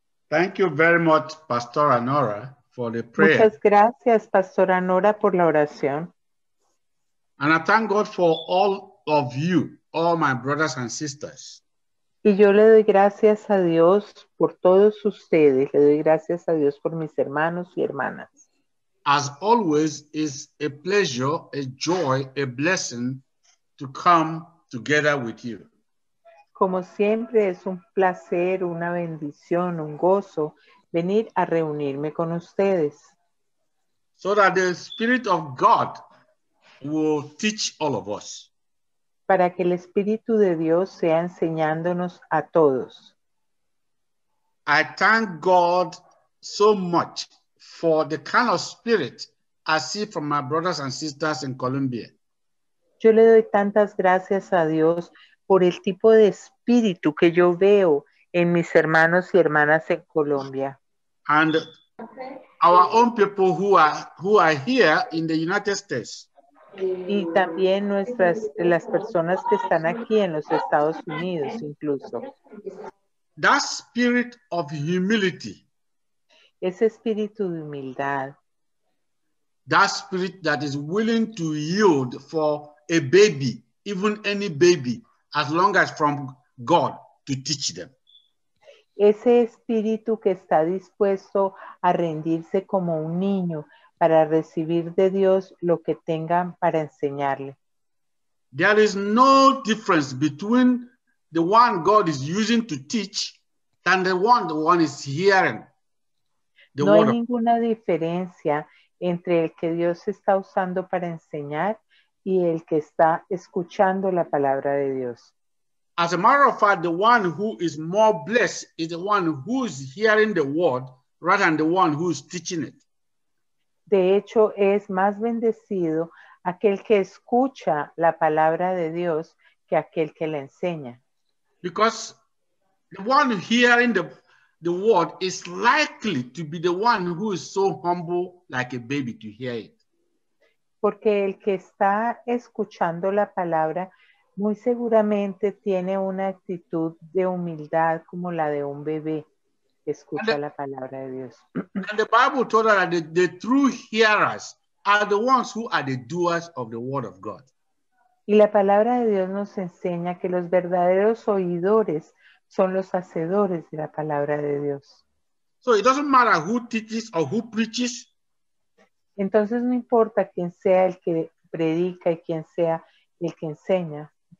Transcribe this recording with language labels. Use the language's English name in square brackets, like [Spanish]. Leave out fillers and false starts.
[English] Thank you very much, Pastora Nora, for the prayer. [Spanish] Muchas gracias, Pastora Nora, por la oración. [English] And I thank God for all of you, all my brothers and sisters. [Spanish] Y yo le doy gracias a Dios por todos ustedes. Le doy gracias a Dios por mis hermanos y hermanas. [English] As always, it's a pleasure, a joy, a blessing to come together with you. [Spanish] Como siempre, es un placer, una bendición, un gozo venir a reunirme con ustedes. [English] So that the Spirit of God will teach all of us. [Spanish] Para que el Espíritu de Dios sea enseñándonos a todos. [English] I thank God so much for the kind of spirit I see from my brothers and sisters in Colombia. [Spanish] Yo le doy tantas gracias a Dios por el tipo de espíritu que yo veo en mis hermanos y hermanas en Colombia. [English] And our own people who are here in the United States. [Spanish] Y también nuestras, las personas que están aquí en los Estados Unidos incluso. [English] That spirit of humility. [Spanish] Ese espíritu de humildad. [English] That spirit that is willing to yield for a baby, even any baby, as long as from God to teach them. [Spanish] Ese espíritu que está dispuesto a rendirse como un niño para recibir de Dios lo que tengan para enseñarle. [English] There is no difference between the one God is using to teach and the one is hearing. [Spanish] No hay ninguna diferencia entre el que Dios está usando para enseñar y el que está escuchando la palabra de Dios. [English] As a matter of fact, the one who is more blessed is the one who is hearing the word rather than the one who is teaching it. [Spanish] De hecho, es más bendecido aquel que escucha la palabra de Dios que aquel que la enseña. [English] Because the one hearing the word is likely to be the one who is so humble like a baby to hear it. [Spanish] Porque el que está escuchando la palabra muy seguramente tiene una actitud de humildad como la de un bebé que escucha la palabra de Dios. [English] And the Bible told us that the true hearers are the ones who are the doers of the word of God. [Spanish] Y la palabra de Dios nos enseña que los verdaderos oidores son los hacedores de la palabra de Dios. [English] So it doesn't matter who teaches or who preaches. [Spanish] Entonces no importa quién sea el que predica y quién sea el que enseña.